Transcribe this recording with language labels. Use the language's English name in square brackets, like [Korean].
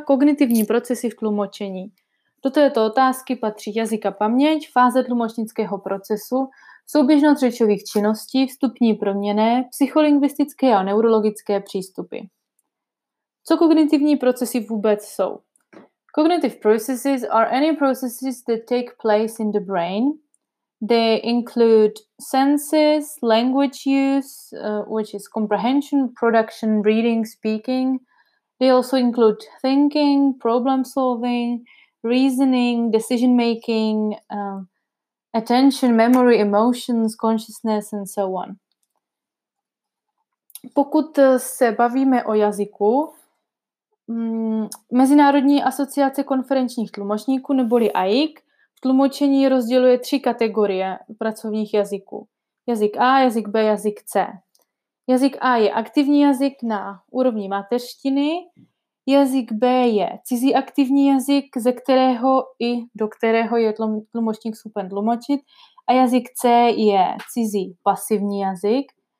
[Czech] Kognitivní procesy v tlumočení. Do této otázky patří jazyk a paměť, fáze tlumočnického procesu, souběžnost řečových činností, vstupní proměnné, psycholingvistické a neurologické přístupy. Co kognitivní procesy vůbec jsou? [English] Cognitive processes are any processes that take place in the brain. They include senses, language use, which is comprehension, production, reading, speaking. They also include thinking, problem solving, reasoning, decision making, attention, memory, emotions, consciousness, and so on. [Czech] Pokud se bavíme o jazyku, Mezinárodní asociace konferenčních tlumočníků neboli AIC v tlumočení rozděluje tři kategorie pracovních jazyků. Jazyk A, jazyk B, jazyk C. Jazyk A je aktivní jazyk na úrovni mateřštiny, jazyk B je cizí aktivní jazyk, ze kterého i do kterého je tlumočník schopen tlumočit, a jazyk C je cizí pasivní jazyk.